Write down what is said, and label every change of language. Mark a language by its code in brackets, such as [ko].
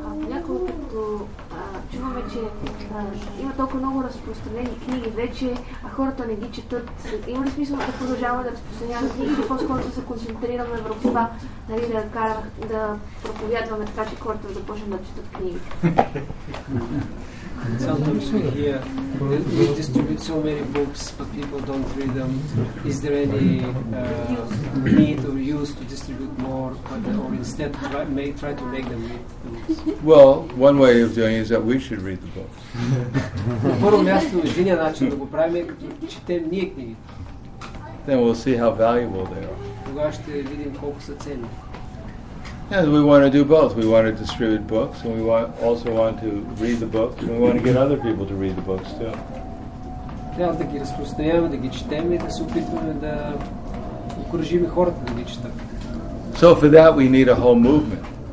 [bg] Няколкото чуваме, че има толкова много разпространени книги вече, а хората не ги четат. Има ли смисъл да продължаваме да разпространяваме книги, или по-скоро да се концентрираме върху това, нали, да проповядваме така, че хората започнат да четат книги? [en] Sometimes we hear we distribute so many books but people don't read them. Is there any need or use to distribute more or instead try to make them read the books? Well, one way of doing it is that we should read the books. [bg] На първо място, единия начин да го правим е като четем ние книги. [en] Then we'll see how valuable they are. [bg] Тогава ще видим колко са ценни. [en] Yes, we want to do both. We want to distribute books, and we also want to read the books, and we want to get other people to read the books, too. [bg] Трябва да ги разпространяваме, да ги четем и да се опитваме да окуражим хората да ги четат. [en] So for that we need a whole movement.